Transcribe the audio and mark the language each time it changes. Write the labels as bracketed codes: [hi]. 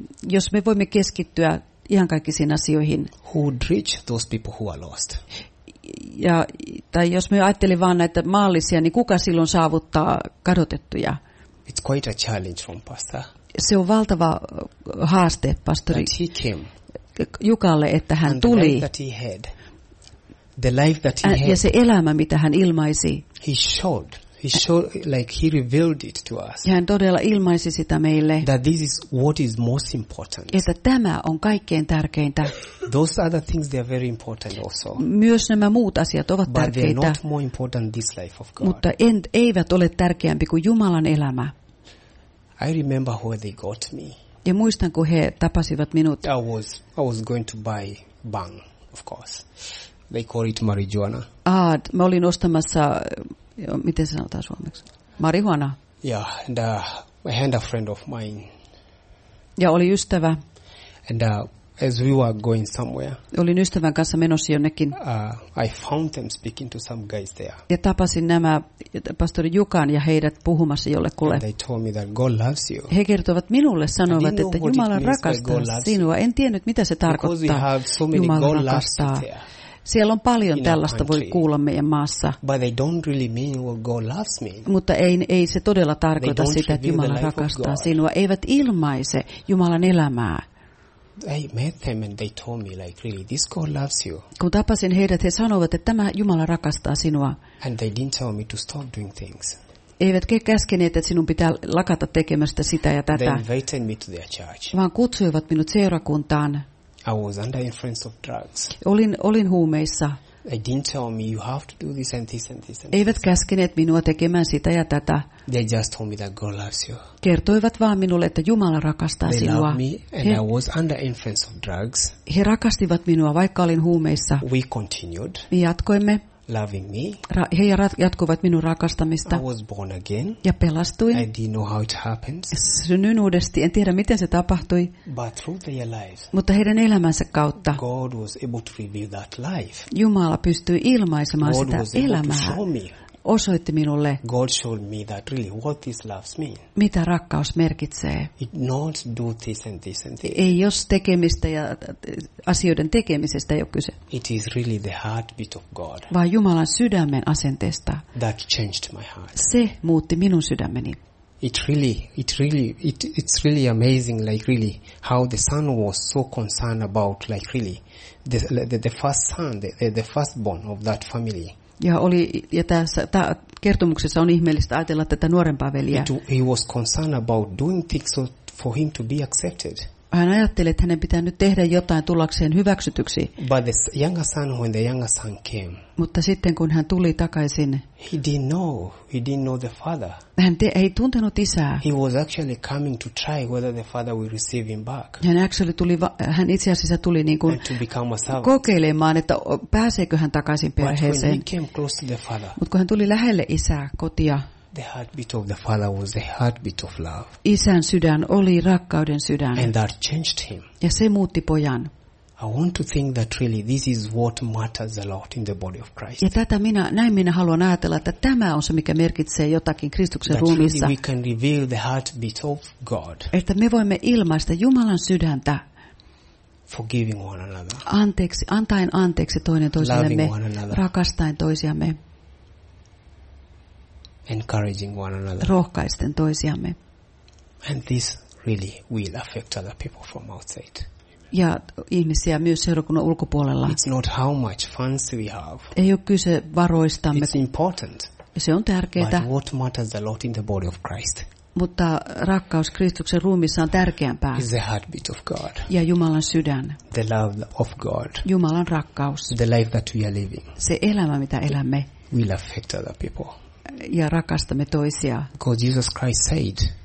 [fi] Jos me voimme keskittyä ihan kaikkiin asioihin. [en] Who would reach those people who are lost? [fi] ja tai jos me ajattelin vaan näitä maallisia, niin kuka silloin saavuttaa kadotettuja? [en] It's quite a challenge from pastor. [fi] Se on valtava haaste, pastori. [en] That he came. [fi] Jukalle, että hän tuli. [en] And the life that he had. The life that he had. [fi] Ja se elämä, mitä hän ilmaisi. [en] He showed. He showed, like he revealed it to us. [fi] Ja hän todella ilmaisi sitä meille. [en] That this is what is most important. [fi] Että tämä on kaikkein tärkeintä. [en] Those other things, they are very important also. [fi] Myös nämä muut asiat ovat [en] but [fi] tärkeitä. [en] But they are not more important than this life of God. [fi] Mutta eivät ole tärkeämpi kuin Jumalan elämä. [en] I remember where they got me. [fi] Ja muistan, kun he tapasivat minut. [en] I was going to buy bang, of course. They call it marijuana. [fi] Mä olin ostamassa, miten sanotaan suomeksi? Marihuana. [en] Yeah, and I had a friend of mine. [fi] Ja oli ystävä. [en] And as we were going somewhere. [fi] Olin ystävän kanssa menossa jonnekin. [en] I found them speaking to some guys there. [fi] Ja tapasin nämä pastori Jukan ja heidät puhumassa jollekulle. [en] And they told me that God loves you. [fi] He kertovat minulle, sanoivat, että Jumala rakastaa sinua. En tiennyt, mitä se tarkoittaa. [en] Because we have so many Jumala God loves you. [fi] Siellä on paljon tällaista, voi kuulla meidän maassa. [en] But they don't really mean what God loves me. [fi] Mutta ei se todella tarkoita sitä, että Jumala rakastaa sinua. Eivät ilmaise Jumalan elämää. [en] I met them and they told me like really this God loves you. [fi] Kun tapasin heidät, he sanoivat, että tämä Jumala rakastaa sinua. [en] And they didn't tell me to stop doing things. [fi] Eivät käskeneet, että sinun pitää lakata tekemästä sitä ja tätä. [en] They invited me to their church. [fi] Vaan kutsuivat minut seurakuntaan. [en] I was under influence of drugs. [fi] Olin huumeissa. [en] They didn't tell me you have to do this and this and this. [fi] Eivät käskeneet minua tekemään sitä ja tätä. [en] They just told me that God loves you. [fi] Kertoivat vaan minulle, että Jumala rakastaa sinua. [en] They loved me and I was under influence of drugs. [fi] He rakastivat minua, vaikka olin huumeissa. [en] We continued. [fi] Me jatkoimme. [en] Loving me. [fi] He jatkoivat minun rakastamista. [en] I was born again. [fi] Ja pelastuin. [en] I didn't know how it happens. [fi] Synnyin uudesti. En tiedä, miten se tapahtui. [en] But through their lives. [fi] Mutta heidän elämänsä kautta. [en] God was able to reveal that life. [fi] Jumala pystyi ilmaisemaan [en] God [fi] sitä elämää. [en] God was able to show me. [fi] Osoitti minulle. [en] God showed me that really what this loves mean. [fi] Mitä rakkaus merkitsee? [en] It not do this and this and this. [fi] Ei jos tekemistä ja asioiden tekemisestä ei ole kyse. [en] It is really the heartbeat of God. [fi] Vaan Jumalan sydämen asenteesta. [en] That changed my heart. [fi] Se muutti minun sydämeni. [en] It's really amazing, like really, how the son was so concerned about, like really, the first son, the firstborn of that family. [fi] Ja tässä kertomuksessa on ihmeellistä ajatella tätä nuorempaa veljeä. [en] He was concerned about doing things for him to be accepted. [fi] Hän ajatteli, että hänen pitää nyt tehdä jotain tullakseen hyväksytyksi. [en] But the younger son, when the younger son came. [fi] Mutta sitten kun hän tuli takaisin. [en] He didn't know the father. [fi] Hän ei tuntenut isää. [en] He was actually coming to try whether the father will receive him back. [fi] Hän itse asiassa tuli niin kuin kokeilemaan, että pääseekö hän takaisin perheeseen. [en] But when he came close to the father. [fi] Mutta kun hän tuli lähelle isää kotia. [en] The heartbeat of the father was the heartbeat of love. [fi] Isän sydän oli rakkauden sydän. [en] And that changed him. [fi] Ja se muutti pojan. [en] I want to think that really this is what matters a lot in the body of Christ. [fi] Ja tätä näin minä haluan ajatella, että tämä on se, mikä merkitsee jotakin Kristuksen [en] that [fi] ruumissa. [en] That really we can reveal the heartbeat of God. [fi] Että me voimme ilmaista Jumalan sydäntä. [en] Forgiving one another. [fi] Anteeksi, antaen anteeksi toinen toisillemme. [en] Loving one another. [fi] Rakastaen toisiamme. [en] Encouraging one another. [fi] Rohkaisten toisiamme. [en] And this really will affect other people from outside. [fi] Ja ihmisiä myös seurakunnan ulkopuolella. [en] It's not how much funds we have. [fi] Ei ole kyse varoistamme. [en] It's important. [fi] Se on tärkeää. [en] But what matters a lot in the body of Christ. [fi] Mutta rakkaus Kristuksen ruumissa on tärkeämpää. [en] Is the heartbeat of God. [fi] Ja Jumalan sydän. [en] The love of God. [fi] Jumalan rakkaus. [en] The life that we are living. [fi] Se elämä, mitä elämme. [en] Will affect other people. [fi] Ja rakastamme toisia. [en] Because Jesus Christ said.